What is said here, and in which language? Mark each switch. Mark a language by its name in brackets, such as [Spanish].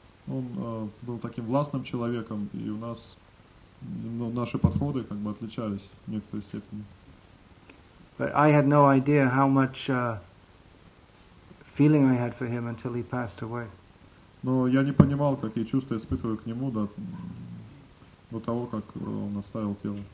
[Russian] Он был таким властным человеком, и у нас наши подходы как бы отличались в некоторой степени. [English] But I had no idea how much feeling I had for him until he passed away. [Russian] Но я не понимал, какие чувства испытываю к нему до того, как он оставил тело.